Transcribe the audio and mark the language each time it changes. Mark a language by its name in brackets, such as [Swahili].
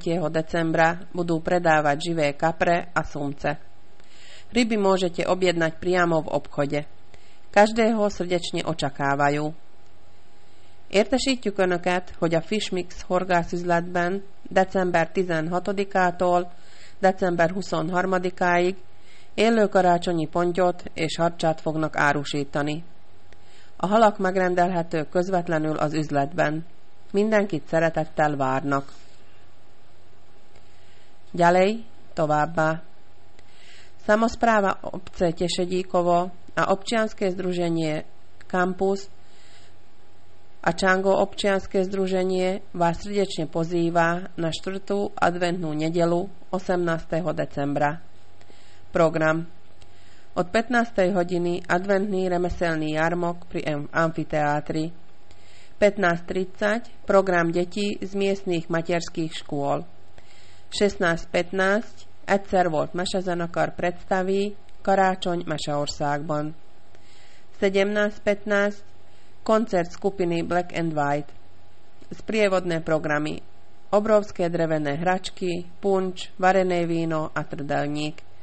[Slovak] decembra budú predávať živé kapre a sumce. Ryby môžete objednať priamo v obchode. Každého srdečne očakávajú. [Hungarian] Értesítjük Önöket, hogy a Fishmix horgászüzletben december 16-tól december 23-áig élő karácsonyi pontyot és harcsát fognak árusítani. A halak megrendelhetők közvetlenül az üzletben. Mindenkit szeretettel várnak. [Slovak] Ďalej, továbbá. Samospráva obce Tešedíkovo a občianske združenie Campus a Čango občianske združenie vás srdečne pozýva na 4. adventnú nedelu 18. decembra. Program. Od 15. hodiny adventný remeselný jarmok pri amfiteátri. 15.30 program detí z miestnych materských škôl. 16.15 egyszer volt mesezenekar predstaví Karácsony Meseországban. 17.15 koncert skupiny Black and White. Sprievodné programy. Obrovské drevené hračky, punč, varené víno a trdelník.